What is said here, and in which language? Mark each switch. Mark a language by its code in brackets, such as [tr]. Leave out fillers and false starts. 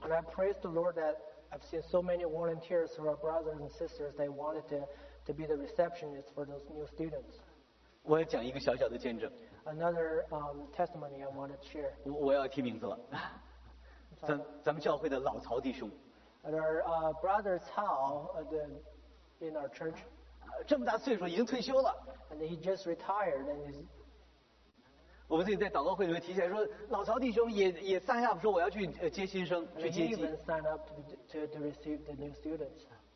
[en] And I praise the Lord that I've seen so many volunteers who are brothers and sisters. They wanted to be the receptionists for those new students. [zh] 我要讲一个小小的见证。 [en] Another testimony I wanted to share. [zh] 我要提名字了。咱们教会的老曹弟兄。 [en] And our brother Cao in our church. [zh] 这么大岁数已经退休了。 [en] And he just retired and is [zh] 我们自己在祷告会里面提起来说，老曹弟兄也 [en] sign up [zh] 说我要去接新生，去接机。 [en] And he even signed up to receive the new students.